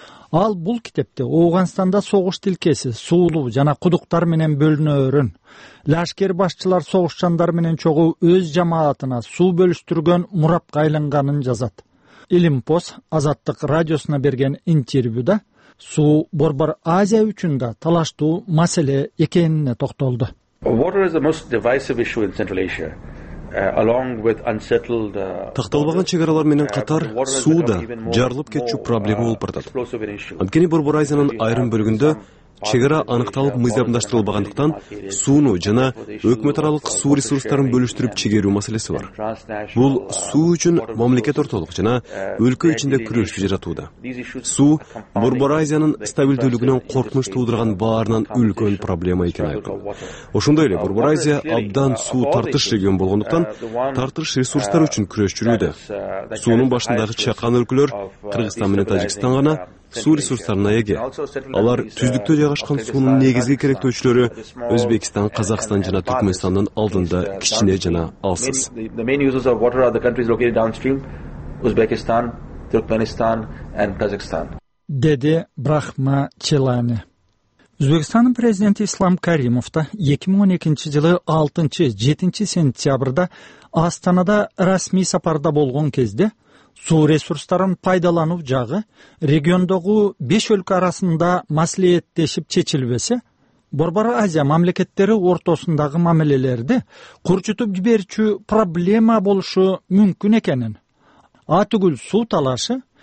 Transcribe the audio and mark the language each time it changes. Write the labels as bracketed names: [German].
[Kyrgyz] Ал бул китепте Ооганстанда согуш тилкеси, суулуу жана кудуктар менен бөлүнөөрүн, лашкер башчылар согушчандар менен чогуу өз жамаатына суу бөлүштүргөн мурапка айланганын жазат. Илимпос Азаттык радиосуна берген интервьюда суу борбор Азия үчүн да талаштуу маселе экенине токтолду. [English] Water is the most divisive issue in Central Asia. Along with unsettled [Kyrgyz] такталбаган чек аралар менен катар суу да жарылып кетүү проблема болуп баратат. Анткени Борбор Азиянын айрым бөлүгүндө чек ара аныкталып мыйзамдаштырылбагандыктан сууну жана өкмөт аралык суу ресурстарын бөлүштүрүп чегерүү маселеси бар. Бул суу үчүн мамлекет ортолук жана өлкө ичинде күрөшү жаратууда. Суу Борбор Азиянын стабилдүүлүгүнөн коркунуч туудурган баарынан үлкөн проблема экени айкын. Ошондой эле Борбор Азия абдан суу тартыш регион болгондуктан тартыш ресурстар үчүн күрөш жүрүүдө. Суунун башындагы чакан өлкөлөр Кыргызстан менен Тажикстан гана суу ресурстарына эге. Алар түздүктө жайгашкан суунун негизги керектөөчүлөрү Өзбекстан, Казакстан жана Түркмөнстандын алдында кичине жана алсыз. [English] The main users of water are the countries located downstream: Uzbekistan, Turkmenistan and Kazakhstan. [Kyrgyz] Деди Брахма Чилани. Өзбекстандын президенти Ислам Каримов да 2012 жылы 6-7 сентябрда Астанада расмий сапарда болгон кезде суу ресурстарын пайдалануу жагы региондогу 5 өлкө арасында маселеттешип чечилбесе, Борбор Азия мамлекеттери ортосундагы мамилелерди курчутуп жиберчү проблема болушу мүмкүн экенин, атүгүл суу талашы